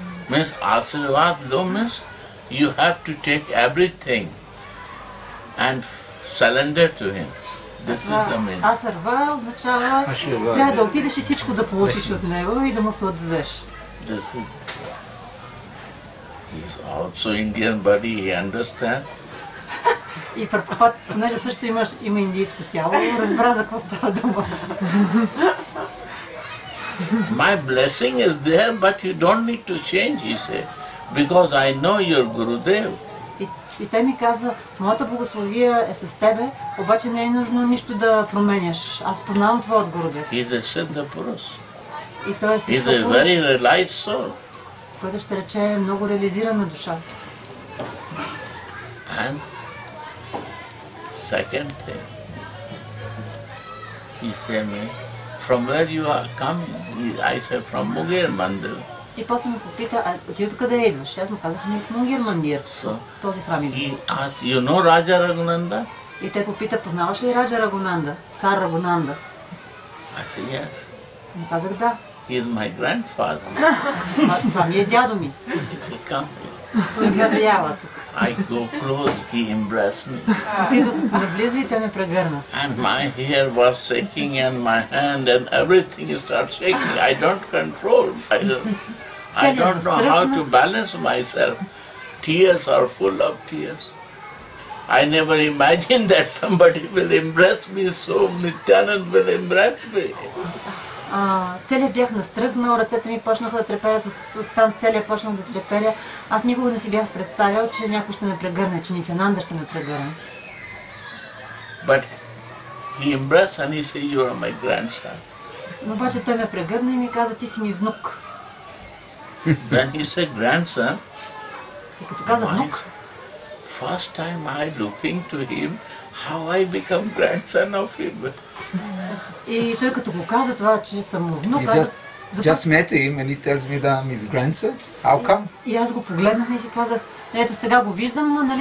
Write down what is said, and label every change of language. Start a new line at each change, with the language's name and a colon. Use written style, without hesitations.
English: Means ashirvad lo means you have to take everything and surrender to him. This is the meaning.
Bulgarian: Асърва означава трябва да отидеш и всичко да получиш от него и да му се отдадеш.
English: This is... He is also Indian body, he understand.
Bulgarian: И Прабхупад, понеже също имаш има индийско тяло, разбра за какво става дума.
English: My blessing is there, but you don't need to change, he said. Because I know your Gurudev.
Bulgarian: И той ми каза, моята благословия е с тебе, обаче не е нужно нищо да променяш. Аз познавам твой от Гурудев.
English: He's a Siddha Purus.
Bulgarian: И той е Siddha
English: Purus. He's a very realized soul.
Bulgarian: Който ще рече е много реализирана душа.
English: And second thing, he said me, from where you are coming? I said, from Mungir Mandir.
Bulgarian: И после ме попита, а ти откъде идваш? Аз му казах, ми от Mungir Mandir, този храм идва. И аз,
English: you know
Bulgarian: Раджа Рагунанда? И те попита, познаваш ли Раджа Рагунанда, цар Рагунанда?
English: I said, yes.
Bulgarian: Му казах, да.
English: He is my grandfather.
Bulgarian: Това ми е дядо ми.
English: He said, come here.
Bulgarian: Той ми каза, ява тук.
English: I go close, he embraced me.
Bulgarian: Наблизо и те ме прегърна.
English: And my hair was shaking and my hand and everything start shaking. I don't control myself. I don't know how to balance myself. Tears are full of tears. I never imagined that somebody will embrace me, so Nityananda will embrace me.
Bulgarian: Целият бях настръхнал, ръцете ми почнаха да треперят, оттам целият почнах да треперя. Аз никога не си бях представял, че някой ще ме прегърне, че Нитянанда ще ме прегърне.
English: But he embraced and he said, you are my grandson.
Bulgarian: Но обаче той ме прегърна и ми каза, ти си ми внук.
English: When he said grandson,
Bulgarian: и като каза внук,
English: first time I looking to him, how I become grandson of him.
Bulgarian: И той като го каза това, че съм внук,
English: Just met him and he tells me that I'm his grandson. How come?
Bulgarian: И аз го погледнах и си казах, ето сега го виждам, нали?